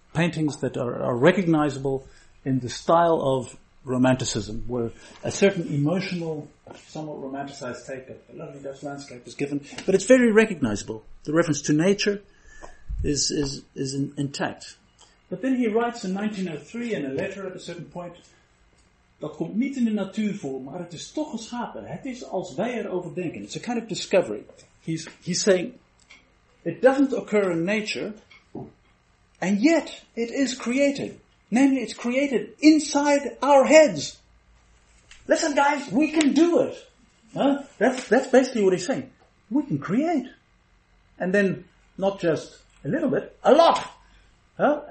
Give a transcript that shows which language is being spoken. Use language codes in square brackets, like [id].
[en] Paintings that are recognizable in the style of romanticism, where a certain emotional, somewhat romanticized take of a lovely Dutch landscape is given, but it's very recognizable. The reference to nature is intact. But then he writes in 1903 in a letter at a certain point, [nl] dat komt niet in de natuur voor, maar het is toch geschapen. Het is als wij erover denken. [en] It's a kind of discovery. He's saying, it doesn't occur in nature, and yet it is created. Namely, it's created inside our heads. Listen, guys, we can do it. Huh? That's basically what he's saying. We can create. And then, not just a little bit, a lot. Huh?